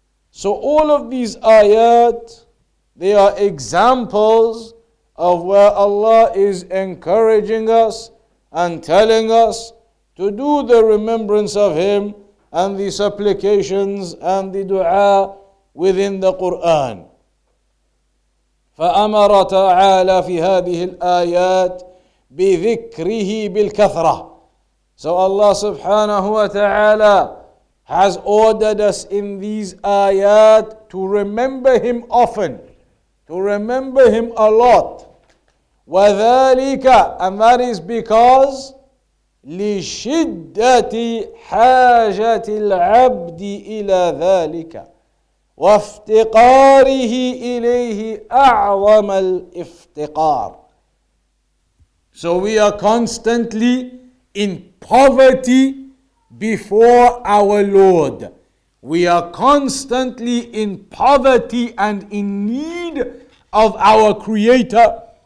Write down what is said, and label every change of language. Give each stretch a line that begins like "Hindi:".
English: So all of these ayat, they are examples of where Allah is encouraging us and telling us to do the remembrance of Him and the supplications and the dua within the Qur'an.
Arabic: فأمر تعالى في هذه الآيات بذكره بالكثرة.
English: So Allah subhanahu wa ta'ala has ordered us in these ayat to remember Him often, to remember Him a lot.
Arabic: وذلك,
English: and that is because
Arabic: لشدة حاجة العبد إلى ذلك وافتقاره إليه أعظم الافتقار.
English: So we are constantly in poverty before our Lord. We are constantly in poverty and in need of our Creator.